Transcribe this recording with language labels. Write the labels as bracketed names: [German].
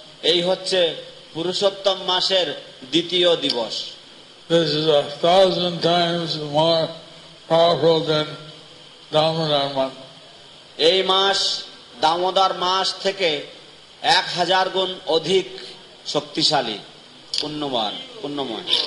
[Bangla] এই হচ্ছে পুরুষোত্তম মাসের দ্বিতীয় দিবস। [English] This is a thousand times more powerful than Damodar month. [Bangla] এই মাস দামোদর মাস থেকে 1000 গুণ অধিক শক্তিশালী, পুণ্যবান, পুণ্যময়।